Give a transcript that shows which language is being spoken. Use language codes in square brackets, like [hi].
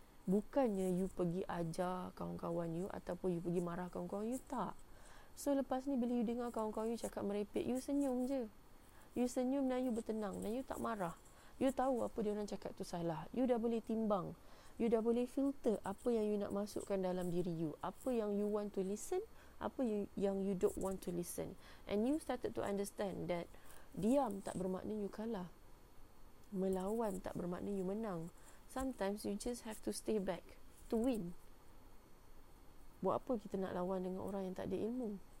[ms] Bukannya you pergi ajar kawan-kawan you ataupun you pergi marah kawan-kawan you, tak. So lepas ni bila you dengar kawan-kawan you cakap merepek, you senyum je. You senyum dan you bertenang dan you tak marah. You tahu apa dia orang cakap tu salah. You dah boleh timbang. You dah boleh filter apa yang you nak masukkan dalam diri you. Apa yang [en] you want to listen, [ms] apa yang [en] you don't want to listen. And you started to understand that [ms] diam tak bermakna you kalah. Melawan tak bermakna you menang. [en] Sometimes you just have to stay back to win. [ms] Buat apa kita nak lawan dengan orang yang tak ada ilmu?